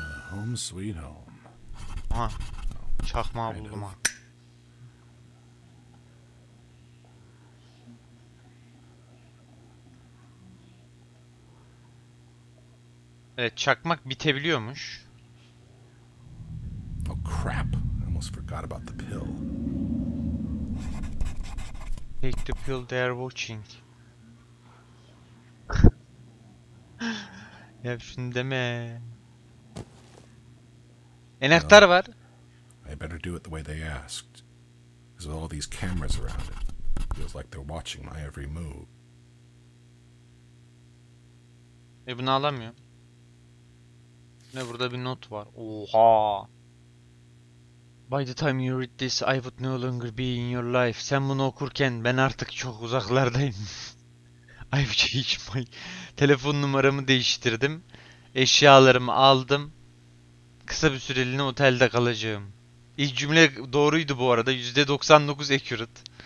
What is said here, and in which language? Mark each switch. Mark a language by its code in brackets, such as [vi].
[en] Home sweet home. [tr] Ha. Çakmağı buldum ha. Evet, çakmak bitebiliyormuş. [en] Oh crap. I almost forgot about the pill. Take the pill, they are watching. [tr] Ya şunu deme. Enaktar var. [en] I better do it the way they asked. Because all these cameras around it. Feels like they're watching my every move. [tr] Bunu alamıyor. Ne, burada bir not var. Oha. [en] By the time you read this, I would no longer be in your life. [tr] Sen bunu okurken ben artık çok uzaklardayım. [en] I've changed my [tr] telefon numaramı değiştirdim. Eşyalarımı aldım. Kısa bir süreliğine otelde kalacağım. İlk cümle doğruydu bu arada. %99 accurate.